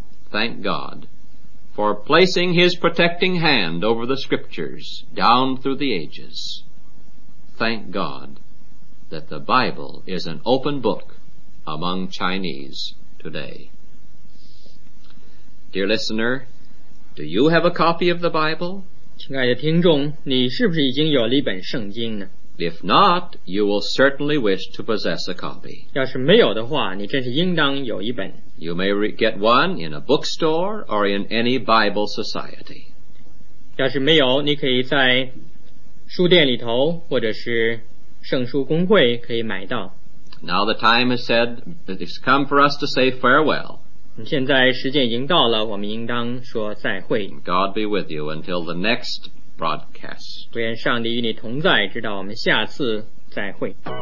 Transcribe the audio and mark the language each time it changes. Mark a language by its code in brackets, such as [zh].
[en] Thank God for placing His protecting hand over the Scriptures down through the ages. Thank God that the Bible is an open book among Chinese today. Dear listener, do you have a copy of the Bible? [zh] 亲爱的听众，你是不是已经有了一本圣经呢？ [en] If not, you will certainly wish to possess a copy. [zh] 要是没有的话，你真是应当有一本。 [en] You may get one in a bookstore or in any Bible society. [zh] 要是没有，你可以在书店里头或者是圣书公会可以买到。 [en] Now the time has said that it's come for us to say farewell. [zh] 现在时间已经到了，我们应当说再会。 [en] God be with you until the next broadcast. [zh] 愿上帝与你同在，直到我们下次再会。